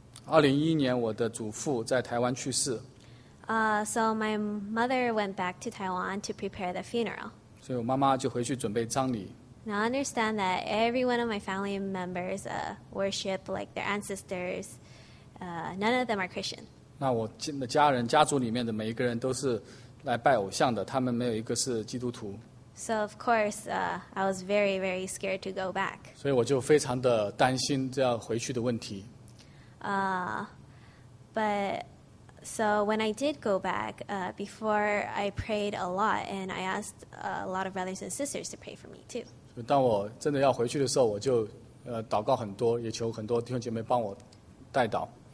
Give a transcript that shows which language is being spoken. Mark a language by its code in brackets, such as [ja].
[zh] 2011年，我的祖父在台湾去世。 [en] So my mother went back to Taiwan to prepare the funeral. [zh] 所以我妈妈就回去准备葬礼。 [en] Now I understand that every one of my family members worship like their ancestors. None of them are Christian. [zh] 那我的家人家族里面的每一个人都是来拜偶像的，他们没有一个是基督徒。 [en] So of course, I was very, very scared to go back. [zh] 所以我就非常的担心这样回去的问题。 [en] But so when I did go back, before I prayed a lot, and I asked a lot of brothers and sisters to pray for me too. [zh] 所以当我真的要回去的时候，我就祷告很多，也求很多弟兄姐妹帮我代祷。